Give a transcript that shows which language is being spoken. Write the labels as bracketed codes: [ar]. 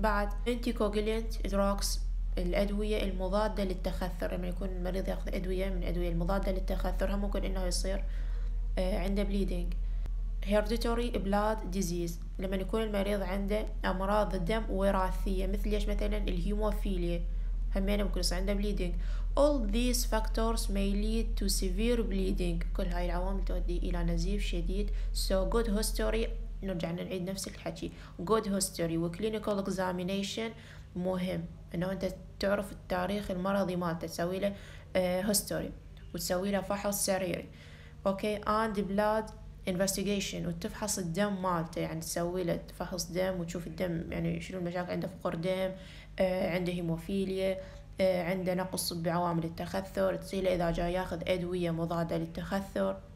[ar] بعد [en] anticoagulant drugs [ar] الادوية المضادة للتخثر، لما يعني يكون المريض ياخذ ادوية من ادوية المضادة للتخثر هم ممكن انه يصير عنده bleeding. [en] hereditary blood disease [ar] لما يكون المريض عنده أمراض الدم وراثية مثل إيش مثلاً الهيموفيليا همينة ممكن يصير عنده bleeding. [en] all these factors may lead to severe bleeding. [ar] كل هاي العوامل تؤدي إلى نزيف شديد. [en] so good history [ar] نرجع نعيد نفس الحكي [en] good history [ar] و [en] clinical examination [ar] مهم إنه أنت تعرف التاريخ المرضي مالته تسوي له history وتسوي له فحص سريري [en] okay and blood investigation [ar] وتفحص الدم مالته، يعني تسوي له فحص دم وتشوف الدم يعني شنو المشاكل عنده، فقر دم عنده هيموفيليا عنده نقص بعوامل التخثر، تسيله اذا جاي ياخذ ادويه مضاده للتخثر.